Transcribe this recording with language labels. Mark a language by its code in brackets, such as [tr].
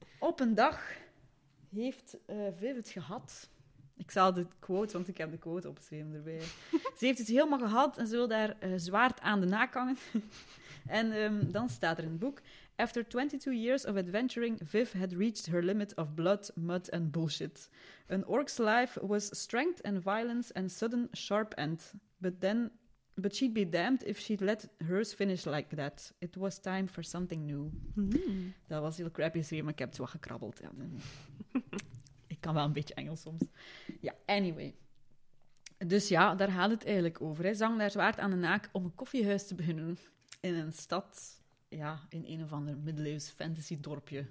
[nl] Op een dag heeft Viv het gehad. Ik zal de quote, want ik heb de quote opgeschreven erbij. Ze heeft het helemaal gehad en ze wil daar zwaard aan de nakangen. En dan staat er in het boek... [en] After 22 years of adventuring, Viv had reached her limit of blood, mud and bullshit. An orc's life was strength and violence and sudden sharp end. But she'd be damned if she'd let hers finish like that. It was time for something new. [nl] Dat was heel crappy geschreven, maar ik heb het wel gekrabbeld. Ja. Ik kan wel een beetje Engels soms. Ja, anyway. Dus ja, daar gaat het eigenlijk over. Hè. Zang daar zwaard aan de naak om een koffiehuis te beginnen in een stad... ja, in een of ander middeleeuws fantasy dorpje.